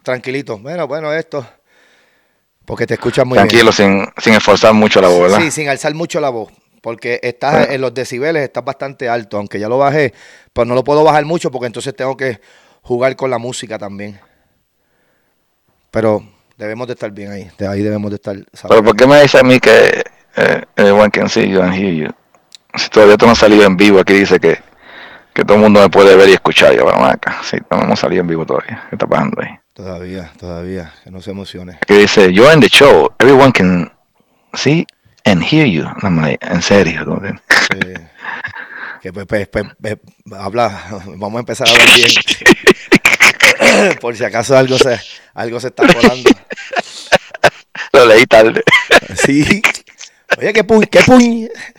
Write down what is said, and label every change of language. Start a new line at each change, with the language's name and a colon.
Spanish: tranquilito. Bueno, esto. Porque te escuchas muy bien. Tranquilo, sin esforzar mucho la voz, Sí, ¿verdad? sin alzar mucho la voz. Porque estás Bueno. en los decibeles, estás bastante alto. Aunque ya lo bajé, pues no lo puedo bajar mucho porque entonces tengo que jugar con la música también. Pero debemos de estar bien ahí. De ahí debemos de estar Pero ¿por qué sabiamente. me dice a mí que
English: everyone can see you and hear you?
Spanish: Si todavía tú no has salido en vivo, aquí dice que todo el mundo me puede ver y escuchar. Yo, bueno, acá, sí, no hemos salido en vivo todavía. ¿Qué está pasando ahí? Todavía, que no se emocione. Aquí dice,
English: you're in the show, everyone can see and hear you. I'm like,
Spanish: en serio. Que pues, habla, vamos a empezar a hablar bien. Por si acaso algo se está colando. Lo leí tarde. Sí. Oye, qué puñ, qué puñ.